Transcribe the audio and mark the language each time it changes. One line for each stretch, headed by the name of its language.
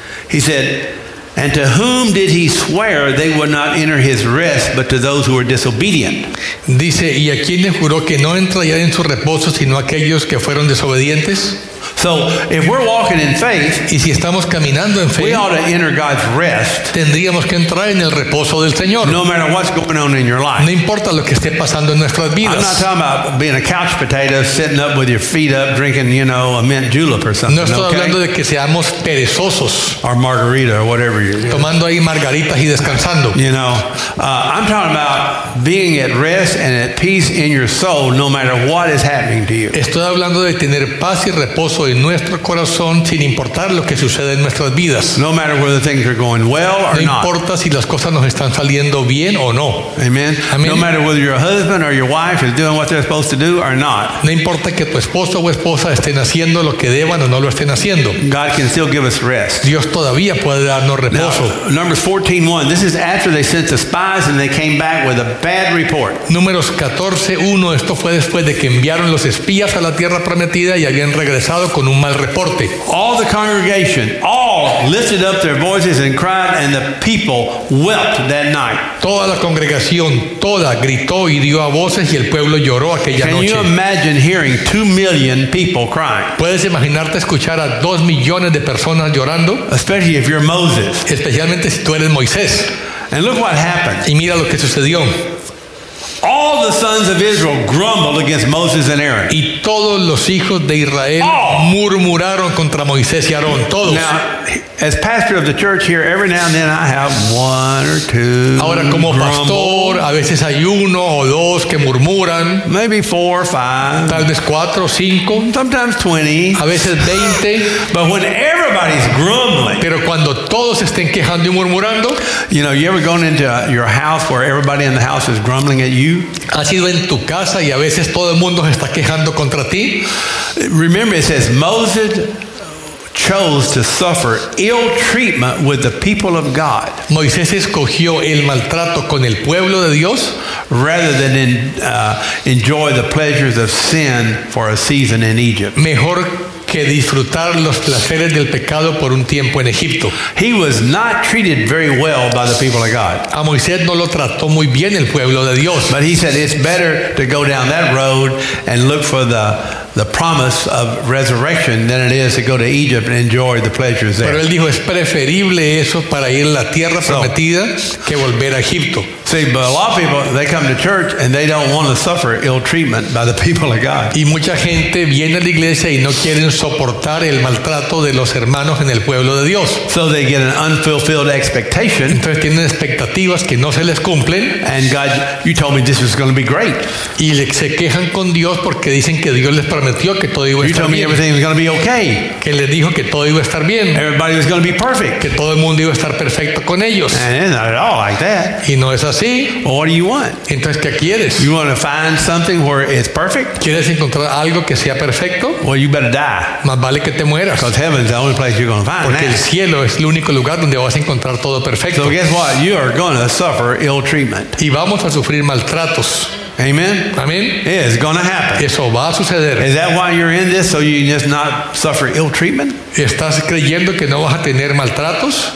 English: He said, and to whom did he swear they would not enter his rest, but to those who were disobedient?
Spanish: Dice, ¿y a quién le juró que no entraría en su reposo sino aquellos que fueron desobedientes?
English: So, if we're walking in faith,
Spanish: y si estamos caminando en fe,
English: we ought to enter God's rest.
Spanish: Tendríamos que entrar en el reposo del Señor.
English: No matter what's going on in your life.
Spanish: No importa lo que esté pasando en nuestras vidas.
English: I'm not talking about being a couch potato, sitting up with your feet up, drinking, you know, a mint julep or something.
Spanish: No estoy hablando
English: okay?
Spanish: de que seamos perezosos.
English: Or margarita or whatever you're doing.
Spanish: Tomando ahí margaritas y descansando.
English: You know, I'm talking about being at rest and at peace in your soul, no matter what is happening to you.
Spanish: Estoy hablando de tener paz y reposo en nuestro corazón sin importar lo que sucede en nuestras vidas.
English: No matter whether things are going well or not.
Spanish: No importa si las cosas nos están saliendo bien o no. Amen.
English: No matter whether your husband or your wife is doing what they're supposed to do or not.
Spanish: No importa que tu esposo o esposa estén haciendo lo que deban o no lo estén haciendo.
English: God can still give us rest.
Spanish: Dios todavía puede darnos reposo.
English: Numbers 14:1. This is after they sent the spies and they came back with a bad report.
Spanish: Números 14:1. Esto fue después de que enviaron los espías a la tierra prometida y habían regresado con un mal reporte.
English: All the congregation, all lifted up their voices and cried, and the people wept that night.
Spanish: Toda la congregación, toda, gritó y dio a voces y el pueblo lloró aquella
English: Can
Spanish: noche.
English: Can you imagine hearing 2 million people crying?
Spanish: ¿Puedes imaginarte escuchar a 2 millones de personas llorando?
English: Especially if you're Moses.
Spanish: Especialmente si tú eres Moisés.
English: And look what happened.
Spanish: Y mira lo que sucedió.
English: All the sons of Israel grumbled against Moses and Aaron.
Spanish: Y todos los hijos de Israel murmuraron contra Moisés y Aarón. Todos.
English: Now, as pastor of the church here, every now and then I have one or two.
Spanish: Ahora como
English: grumble.
Spanish: Pastor, a veces hay uno o dos que murmuran.
English: Maybe 4 or 5.
Spanish: Tal vez 4 o 5.
English: Sometimes 20.
Spanish: A veces 20.
English: But when everybody's grumbling.
Spanish: Pero cuando todos estén quejando y murmurando.
English: You know, you ever gone into your house where everybody in the house is grumbling at you?
Spanish: ¿Has ido en tu casa y a veces todo el mundo se está quejando contra ti?
English: Remember, it says Moses chose to suffer ill treatment with the people of God.
Spanish: Moisés escogió el maltrato con el pueblo de Dios
English: rather than enjoy the pleasures of sin for a season in Egypt.
Spanish: Mejor que disfrutar los placeres del pecado por un tiempo en Egipto.
English: He was not treated very well by the people of God.
Spanish: A Moisés no lo trató muy bien el pueblo de Dios.
English: But he said it's better to go down that road and look for the promise of resurrection than it is to go to Egypt and enjoy the pleasures there.
Spanish: Pero él dijo es preferible eso para ir a la tierra prometida que volver a Egipto.
English: See, but a lot of people, they come to church and they don't want to suffer ill treatment by the people of God.
Spanish: Y mucha gente viene a la iglesia y no quieren soportar el maltrato de los hermanos en el pueblo de Dios.
English: So they get an unfulfilled expectation.
Spanish: Entonces tienen expectativas que no se les cumplen.
English: And God, you told me this was going to be great.
Spanish: Y se quejan con Dios porque dicen que Dios les prometió que todo iba a estar bien.
English: You told me everything was going to be okay.
Spanish: Que les dijo que todo iba a estar bien.
English: Everybody was going to be perfect.
Spanish: Que todo el mundo iba a estar perfecto con ellos.
English: And not at all like that.
Spanish: Y no es así. así.
English: Well, what do you want?
Spanish: Entonces, ¿qué quieres?
English: You want to find something where it's perfect?
Spanish: ¿Quieres encontrar algo que sea perfecto?
English: Well, you better die.
Spanish: Más vale que te mueras.
English: Because heaven's the only place you're going to find.
Spanish: Porque el cielo es el único lugar donde vas a encontrar todo perfecto.
English: So guess what? You are going to suffer ill treatment.
Spanish: Y vamos a sufrir maltratos. Amen. Amen.
English: Yeah, it's going to happen.
Spanish: Eso va a suceder.
English: Is that why you're in this, so you just not suffer ill treatment?
Spanish: ¿Estás creyendo que no vas a tener maltratos?